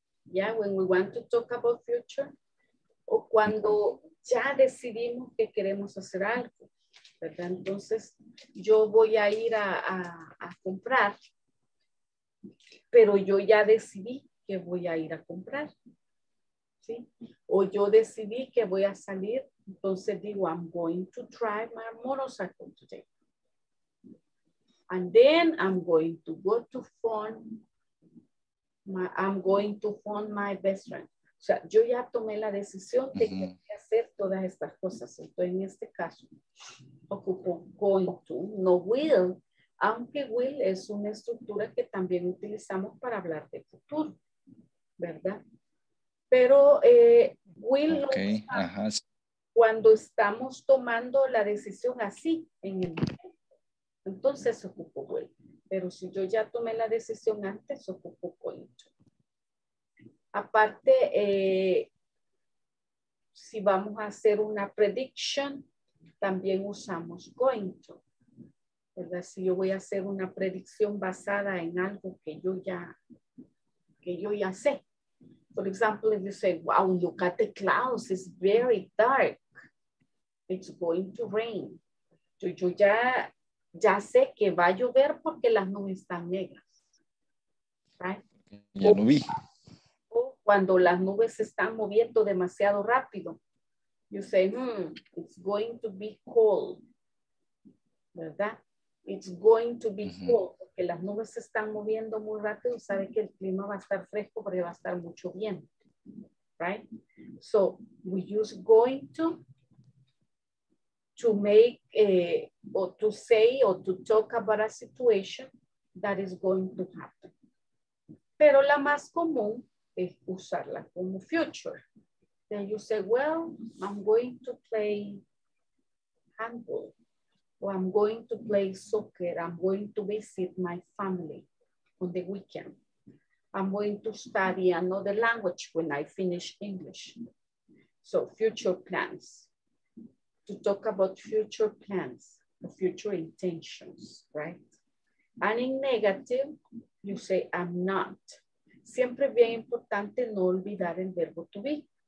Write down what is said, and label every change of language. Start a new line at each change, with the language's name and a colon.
English: Yeah, when we want to talk about future.
Spanish: O cuando ya decidimos que queremos hacer algo, ¿verdad? Entonces, yo voy a ir a comprar, pero yo ya decidí que voy a ir a comprar, ¿sí? O yo decidí que voy a salir, entonces digo,
English: I'm going to try my motorcycle today. And then I'm going to go to phone, I'm going to phone my best friend.
Spanish: O sea, yo ya tomé la decisión de que voy a hacer todas estas cosas. Entonces, en este caso, ocupo going to, no will, aunque will es una estructura que también utilizamos para hablar de futuro, ¿verdad? Pero will, okay, lo ajá, sí, cuando estamos tomando la decisión así, en el momento, entonces ocupo will. Pero si yo ya tomé la decisión antes, ocupo going to. Aparte, si vamos a hacer una prediction, también usamos going to, ¿verdad? Si yo voy a hacer una predicción basada en algo que yo ya sé. Por ejemplo,
English: if you say, wow, look at the clouds, it's very dark. It's going to rain.
Spanish: Yo ya ya sé que va a llover porque las nubes están negras.
English: Right?
Spanish: Ya lo vi. O cuando las nubes se están moviendo demasiado rápido.
English: You say, it's going to be cold.
Spanish: ¿Verdad?
English: It's going to be cold.
Spanish: Porque las nubes se están moviendo muy rápido y sabe que el clima va a estar fresco porque va a estar mucho viento.
English: Right? So, we use going to make or to say or to talk about a situation that is going to happen.
Spanish: Pero la más común es usarla como future.
English: Then you say, well, I'm going to play handball. Or I'm going to play soccer. I'm going to visit my family on the weekend. I'm going to study another language when I finish English. So future plans. To talk about future plans, future intentions, right? And in negative, you say, I'm not.
Spanish: Siempre bien importante no olvidar el verbo to be.